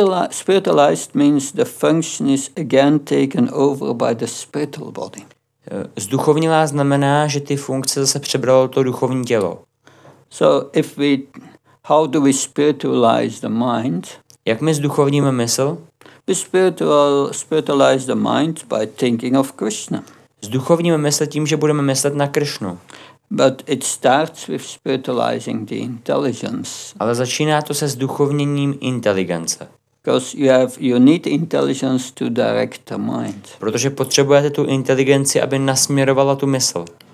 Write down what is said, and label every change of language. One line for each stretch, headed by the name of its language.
English: Spiritualized means the function is again taken over by the spiritual body.
Czech: Zduchovnilá znamená, že ty funkce zase přebralo to duchovní tělo.
English: So if we how do we spiritualize the mind?
Czech: Jak my zduchovníme mysl?
English: We spiritualize the mind by thinking of Krishna.
Czech: Zduchovníme mysl tím, že budeme myslet na Krishnu.
English: But it starts with spiritualizing the intelligence.
Czech: Ale začíná to se zduchovněním inteligence.
English: Because you need intelligence to direct the mind.
Czech: Protože potřebujete tu inteligenci, aby nasměrovala tu mysl.